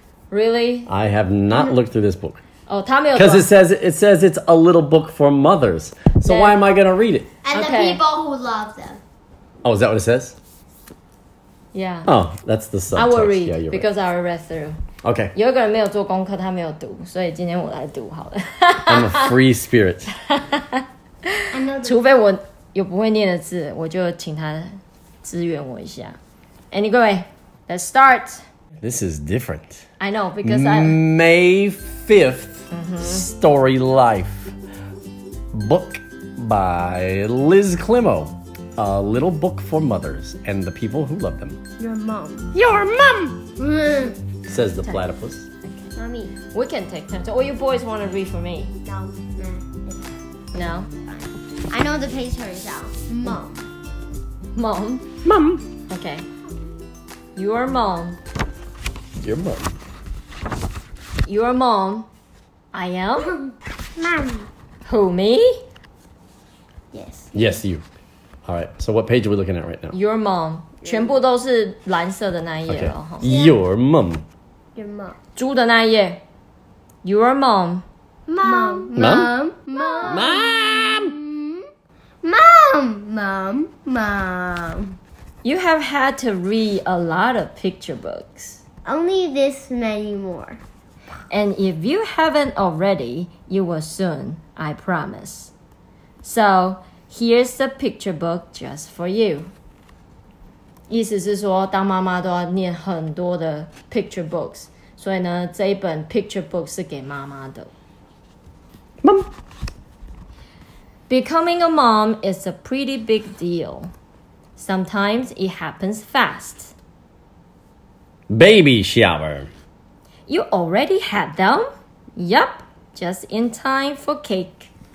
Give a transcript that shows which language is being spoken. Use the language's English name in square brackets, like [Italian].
[English] Really? I have not looked through this book. [Chinese] Oh, 他没有。 [English] Because it says it's a little book for mothers. So why am I going to read it? And the people who love them. Oh, is that what it says? Yeah. Oh, that's the subtext. I will read because I read through. Okay. [Chinese] 有一个人没有做功课，他没有读，所以今天我来读好了。 [English] I'm a free spirit. [Chinese] 除非我有不会念的字，我就请他支援我一下。 [English] Anyway, let's start. This is different. I know because May 5th, Story Life, book by Liz Klimo. A little book for mothers and the people who love them. Your mom! Says the platypus. Okay. Mommy. We can take turns. So, all you boys want to read for me? No. No? I know the picture is out. Mom. Mom? Mom! Okay. Your mom. Your mom. Your mom. I am? Mom. Who, me? Yes. Yes, you. All right, so what page are we looking at right now? Your mom. [Chinese] 全部都是蓝色的那一页了。 [English] Okay. Your mom. Your mom. [Chinese] 猪的那一页。 [English] Your mom. Mom. Mom. Mom. Mom. Mom. Mom. Mom. You have had to read a lot of picture books. Only this many more. And if you haven't already, you will soon, I promise. So... Here's the picture book just for you. [Chinese] 意思是说，当妈妈都要念很多的 [English] picture books, [Chinese] 所以呢，这一本 [English] picture book [Chinese] 是给妈妈的。 [English] Mom. Becoming a mom is a pretty big deal. Sometimes it happens fast. Baby shower. You already had them? Yep, just in time for cake.